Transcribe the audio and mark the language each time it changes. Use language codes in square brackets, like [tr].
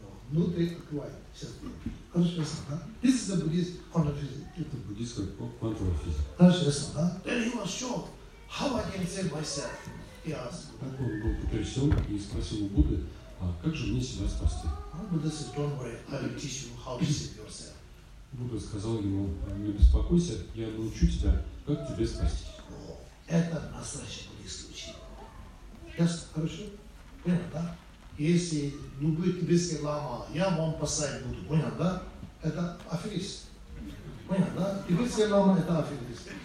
[ru] Внутри открывает. Сейчас бегает. Хорошо, ясно, да? [en] This is the Buddhist quantum physics. [ru] Это буддийская квантовая физика. Хорошо, ясно, да? [en] Then he was shocked. How I can save myself? He asked. [ru] Так он был потрясен и спросил у Будды, а как же мне себя спасти? [en] Buddha said, don't worry, I will teach you how to save yourself. [ru] Будда сказал ему, не беспокойся, я научу тебя, как тебе спасти. О, это настоящий буддийский учитель. Ясно, хорошо? Понятно, да? Если любой тибетский лама, я вам спасать буду, понятно, да? Это аферист. Понятно, да? Тибетский лама – это аферист.